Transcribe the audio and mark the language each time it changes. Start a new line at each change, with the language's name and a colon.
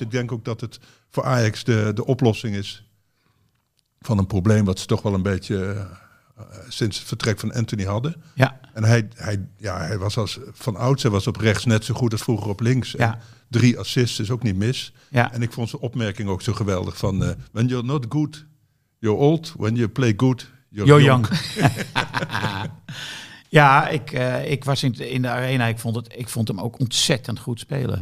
Dutch: Ik denk ook dat het voor Ajax de oplossing is van een probleem wat ze toch wel een beetje sinds het vertrek van Anthony hadden. Ja. En hij was als van ouds, hij was op rechts net zo goed als vroeger op links. Ja. En 3 assists is ook niet mis. Ja. En ik vond zijn opmerking ook zo geweldig van
English: when you're not good, you're old. When you play good, you're young.
Dutch: Ja, ik was in de arena. Ik vond hem ook ontzettend goed spelen.